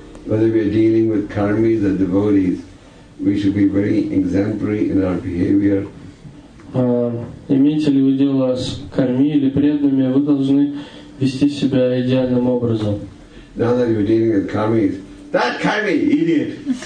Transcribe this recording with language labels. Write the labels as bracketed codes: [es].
[en] Whether we are dealing with karmis or devotees, we should be very exemplary in our behavior. [ru] Имеете ли вы дело с карми или преданными, вы должны вести себя идеальным образом. [en] Now that you're dealing with karmis, that karmi, idiot!